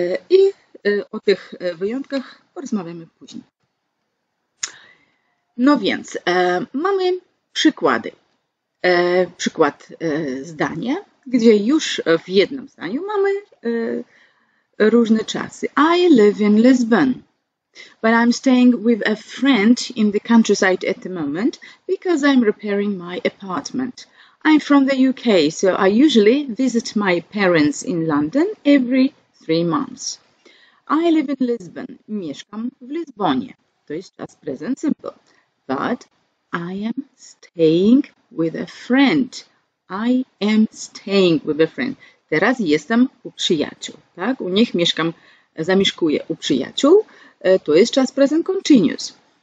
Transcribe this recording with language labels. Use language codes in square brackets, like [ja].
[pl] I o tych wyjątkach porozmawiamy później. No więc, mamy przykłady. Przykład zdania, gdzie już w jednym zdaniu mamy różne czasy. [en] I live in Lisbon. But I'm staying with a friend in the countryside at the moment because I'm repairing my apartment. I'm from the UK, so I usually visit my parents in London every 3 months. I live in Lisbon. [pl] Mieszkam w Lizbonie. To jest czas present simple. [en] But I am staying with a friend. I am staying with a friend. [pl] Teraz jestem u przyjaciół. Tak? U nich mieszkam, zamieszkuję u przyjaciół. To jest czas present continuous.